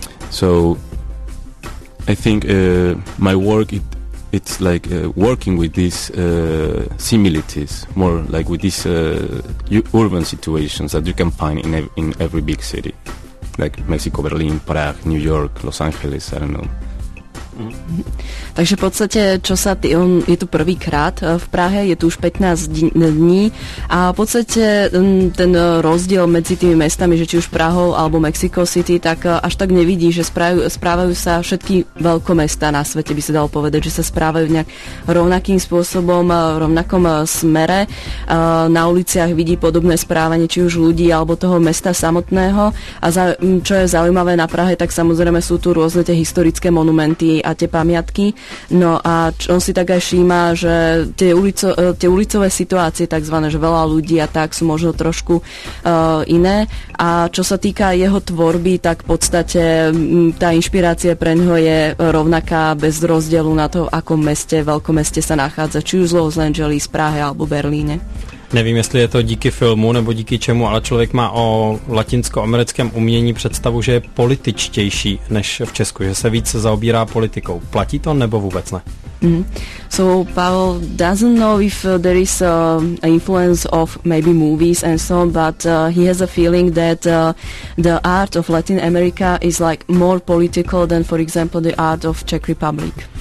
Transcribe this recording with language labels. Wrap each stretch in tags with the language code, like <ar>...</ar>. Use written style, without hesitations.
<en>So I think my work, it's like working with these similarities, more like with these urban situations that you can find in every big city. Like Mexico, Berlin, Prague, New York, Los Angeles, I don't know.</en> <sk>Takže v podstatě, čo sa ty, on je tu prvýkrát v Prahe, je tu už 15 dní a v podstatě ten rozdiel medzi tými mestami, že či už Prahou alebo Mexico City, tak až tak nevidí, že správajú sa všetky veľkomestá na svete, by sa dalo povedať, že sa správajú nejak rovnakým spôsobom, v rovnakom smere. Na uliciach vidí podobné správanie či už ľudí alebo toho mesta samotného. A čo je zaujímavé na Prahe, tak samozrejme sú tu rôzne tie historické monumenty a tie pamiatky. No a on si tak aj všíma, že tie ulicové situácie, takzvané, že veľa ľudí a tak, sú možno trošku iné. A čo sa týka jeho tvorby, tak v podstate tá inšpirácia pre ňoho je rovnaká bez rozdielu na to, akom meste, veľkom meste sa nachádza, či už z Los Angeles, Prahe alebo Berlíne.</sk> <cs>Nevím, jestli je to díky filmu nebo díky čemu, ale člověk má o latinskoamerickém umění představu, že je političtější než v Česku, že se víc zaobírá politikou. Platí to nebo vůbec ne? Mm-hmm.</cs> <en>So Pavel doesn't know if there is an influence of maybe movies and so on, but he has a feeling that the art of Latin America is like more political than for example the art of Czech Republic.</en>